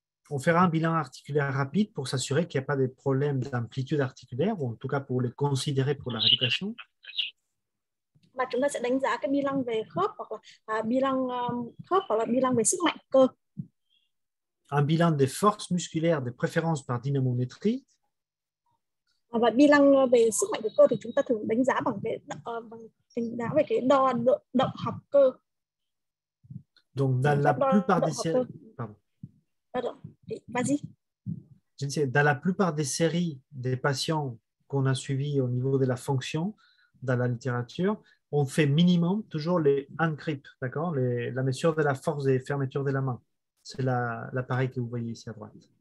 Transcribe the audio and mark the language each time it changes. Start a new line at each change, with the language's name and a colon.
French: On fera un bilan articulaire rapide pour s'assurer qu'il n'y a pas de problème d'amplitude articulaire, ou en tout cas pour les considérer pour la rééducation.
Vietnamese: Và chúng ta sẽ đánh giá cái bilan về khớp hoặc là khớp hoặc là bilan về sức mạnh cơ.
French: Un bilan des forces musculaires, des préférences par dynamométrie.
Vietnamese: Và bilan về sức mạnh của cơ thì chúng ta thường đánh giá bằng cái đo động học cơ.
French: Donc dans la plupart des séries, pardon. Pardon. Vas-y. Je ne sais, dans la plupart des séries des patients qu'on a suivis au niveau de la fonction dans la littérature, on fait minimum toujours les hand grip, d'accord, la mesure de la force et fermeture de la main. C'est l'appareil que vous voyez ici à droite.